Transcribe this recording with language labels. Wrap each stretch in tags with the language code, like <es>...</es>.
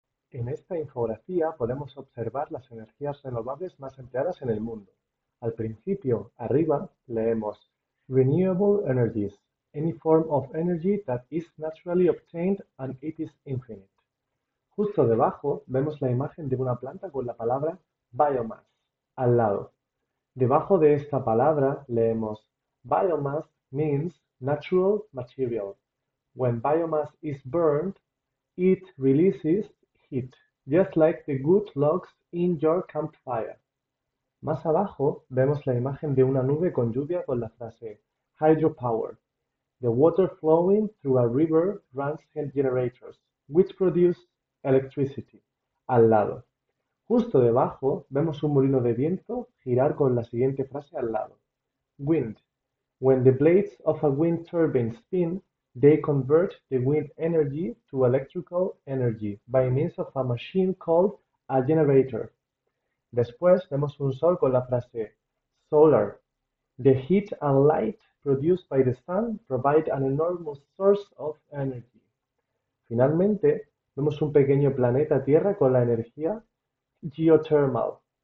<es>En esta infografía podemos observar las energías renovables más empleadas en el mundo. Al principio, arriba, leemos</es> <en>Renewable energies, any form of energy that is naturally obtained and it is infinite.</en> <es>Justo debajo vemos la imagen de una planta con la palabra biomass al lado. Debajo de esta palabra leemos</es> <en>Biomass means natural material. When biomass is burned, it releases heat, just like the good logs in your campfire.</en> <es>Más abajo vemos la imagen de una nube con lluvia con la frase Hydropower.</es> <en>The water flowing through a river runs hand generators, which produce electricity,</en> <es>al lado. Justo debajo vemos un molino de viento girar con la siguiente frase al lado.</es> <en>Wind. When the blades of a wind turbine spin, they convert the wind energy to electrical energy by means of a machine called a generator.</en> <es>Después vemos un sol con la frase solar.</es> <en>The heat and light produced by the sun provide an enormous source of energy.</en> <es>Finalmente, vemos un pequeño planeta Tierra con la energía geothermal.</es>